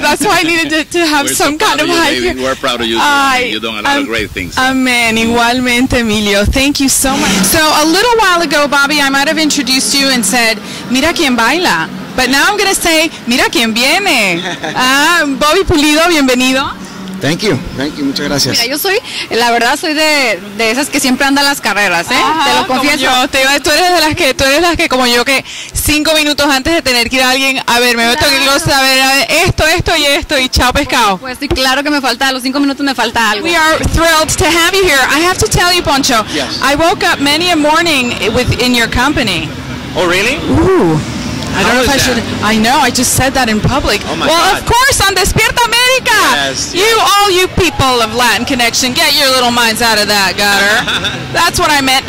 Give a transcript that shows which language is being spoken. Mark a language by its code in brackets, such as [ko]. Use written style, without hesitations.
[en] That's why I needed to have some kind of high. We're proud of you. You're doing a lot of great things. Amen. Igualmente, Emilio. Thank you so much. So a little while ago, Bobby, I might have introduced you and said, [es] mira quien baila. [en] But now I'm going to say, [es] mira quien viene. Bobby Pulido, bienvenido. [en] Thank you, [es] muchas gracias. Mira, yo soy, la verdad, soy de esas que siempre andan las carreras, ¿eh? Ajá, te lo confieso. Tú eres de las que, como yo, que 5 minutos antes de tener que ir a alguien, a ver, me voy a tocar saber esto, y chao pescado. Pues sí, claro que me falta, a los 5 minutos me falta algo. [en] We are thrilled to have you here. I have to tell you, Poncho, yes. I woke up many a morning in your company. Oh, really? Ooh. How I don't know if that? I should. I know. I just said that in public. Oh my well, God. Of course, on Despierta America. Yes. You, all you people of Latin Connection, get your little minds out of that gutter. That's what I meant.